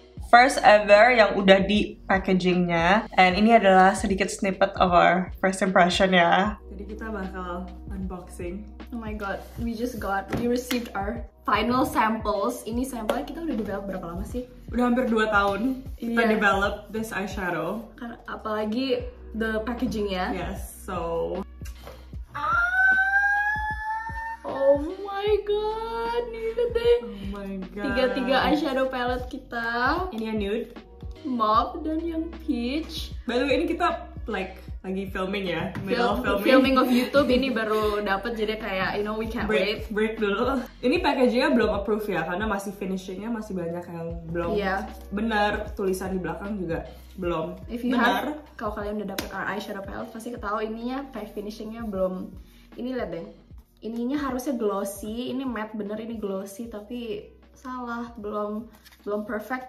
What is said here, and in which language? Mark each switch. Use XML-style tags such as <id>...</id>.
<en>First ever</en> <id>yang udah di packagingnya. And ini adalah sedikit</id> <en>snippet of our first impression</en> <id>ya. Jadi kita bakal unboxing.</id> <en>Oh my god, we received our final samples.</en> <id>Ini sampelnya kita udah develop berapa lama sih? Udah hampir 2 tahun kita develop</id> <en>this eyeshadow.</en> <id>Karena apalagi</id> <en>the packaging</en> <id>ya.</id> <en>Yes, so.</en> <id>Oh my god, ini gede.</id> <en>Oh my god.</en> <id>3 eyeshadow palette kita. Ini yang nude, mauve, dan yang peach. By the way, ini kita like lagi filming ya,</id> <en>filming of YouTube.</en> <id>Ini baru dapat, jadi kayak</id> <en>you know we can't break</en> <id>dulu. Ini packagingnya belum approve ya, karena masih finishingnya masih banyak yang belum benar, tulisan di belakang juga belum benar. Kalau kalian udah dapat</id> <en>our eyeshadow palette</en> <id>pasti ketahui ininya kayak finishingnya belum. Ini liat deh, ininya harusnya glossy, ini matte bener, ini glossy tapi salah, belum perfect.</id>